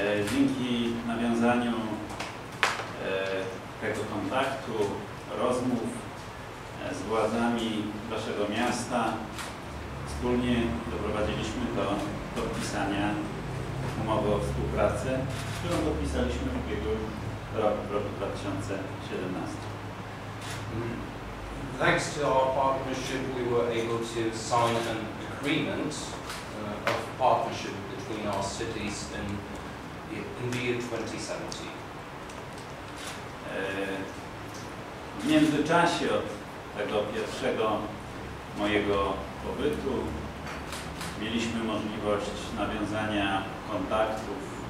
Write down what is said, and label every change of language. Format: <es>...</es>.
<pl>Dzięki nawiązaniu tego kontaktu, rozmów z władzami waszego miasta, wspólnie doprowadziliśmy do podpisania umowy o współpracy, którą podpisaliśmy w ubiegłym roku, w roku 2017.</pl> <en>Thanks to our partnership, we were able to sign an agreement of partnership between our cities and in the year 2017.</en> <pl>W międzyczasie od tego pierwszego mojego pobytu mieliśmy możliwość nawiązania kontaktów</pl>